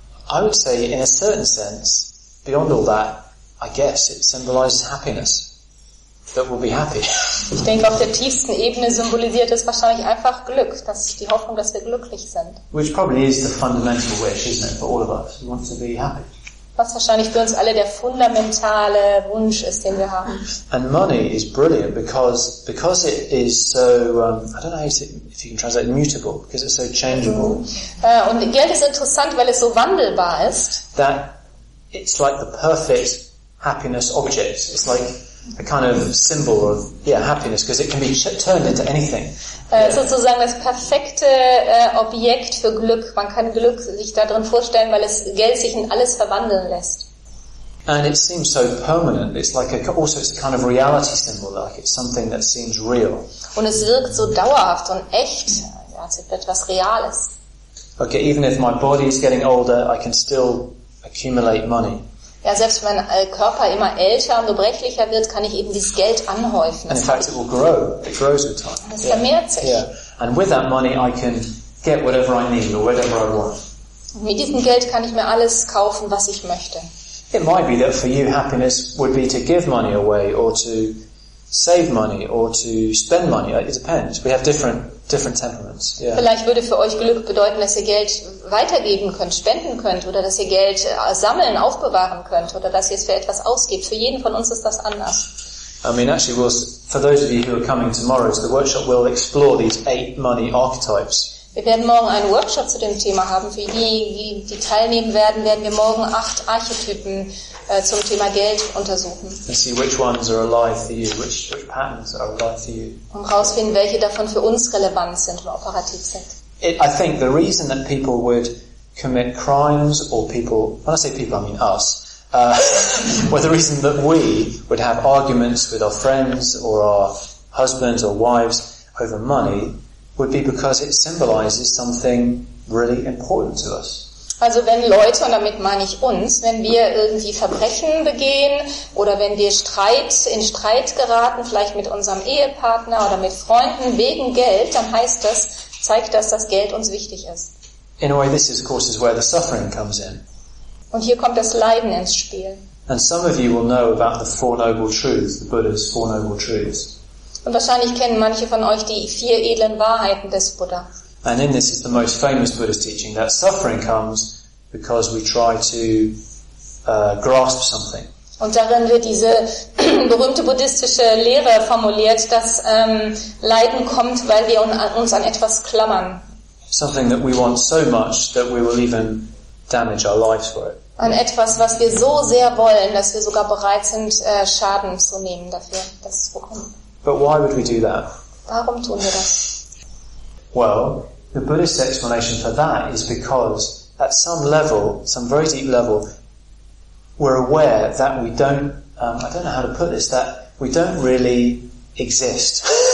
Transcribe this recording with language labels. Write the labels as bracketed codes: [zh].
[en] I would say, in a certain sense, beyond all that, I guess it symbolizes happiness. That we'll be happy. [de] Ich denke, auf der tiefsten Ebene symbolisiert es wahrscheinlich einfach Glück, dass die Hoffnung, dass wir glücklich sind. [en] Which probably is the fundamental wish, isn't it, for all of us? We want to be happy. [de] Was wahrscheinlich für uns alle der fundamentale Wunsch ist, den wir haben. [en] And money is brilliant because it is so I don't know if you can translate mutable, because it's so changeable. [de] Und Geld ist interessant, weil es so wandelbar ist. [en] That it's like the perfect happiness object. It's like a kind of symbol of happiness, because it can be turned into anything. [de] Sozusagen das perfekte Objekt für Glück. Man kann Glück sich darin vorstellen, weil es Geld sich in alles verwandeln lässt. [en] And it seems so permanent. It's like it's a kind of reality symbol, like it's something that seems real. [de] Und es wirkt so dauerhaft und echt, als ob etwas Reales. [en] Okay, even if my body is getting older, I can still accumulate money. [de] Ja, selbst wenn mein Körper immer älter und gebrechlicher wird, kann ich eben dieses Geld anhäufen. [en] In fact, it will grow. It grows with time. [de] Das vermehrt sich. [en] Yeah. And with that money, I can get whatever I need or whatever I want. [de] Mit diesem Geld kann ich mir alles kaufen, was ich möchte. [en] It might be that for you, happiness would be to give money away or to save money or to spend money. It depends. We have different temperaments. Yeah. [de] Vielleicht würde für euch Glück bedeuten, dass ihr Geld weitergeben könnt, spenden könnt, oder dass ihr Geld sammeln, aufbewahren könnt, oder dass ihr es für etwas ausgibt. Für jeden von uns ist das anders. [en] I mean, actually, for those of you who are coming tomorrow to the workshop, we'll explore these 8 money archetypes. [de] Wir werden morgen einen Workshop zu dem Thema haben. Für die, die teilnehmen werden, werden wir morgen 8 Archetypen zum Thema Geld untersuchen. [en] And see which ones are alive for you, which patterns are alive for you. [de] Und herausfinden, welche davon für uns relevant sind und operativ sind. [en] I think the reason that people would commit crimes, or people, when I say people, I mean us, well, the reason that we would have arguments with our friends or our husbands or wives over money would be because it symbolizes something really important to us. [de] Also wenn Leute, und damit meine ich uns, wenn wir irgendwie Verbrechen begehen oder wenn wir in Streit geraten, vielleicht mit unserem Ehepartner oder mit Freunden wegen Geld, dann heißt das, zeigt das, dass Geld uns wichtig ist. [en] In a way, this is, of course, is where the suffering comes in. [de] Und hier kommt das Leiden ins Spiel. [en] And some of you will know about the Four Noble Truths, the Buddha's Four Noble Truths. [de] Und wahrscheinlich kennen manche von euch die 4 edlen Wahrheiten des Buddha. [en] And in this is the most famous Buddhist teaching, that suffering comes because we try to grasp something. [de] Und darin wird diese berühmte buddhistische Lehre formuliert, dass Leiden kommt, weil wir uns an etwas klammern. [en] Something that we want so much that we will even damage our lives for it. [de] An etwas, was wir so sehr wollen, dass wir sogar bereit sind, Schaden zu nehmen dafür, dass es bekommen. [en] But why would we do that? [de] Warum tun wir das? [en] Well, the Buddhist explanation for that is because at some level, some very deep level, we're aware that we don't, I don't know how to put this, that we don't really exist.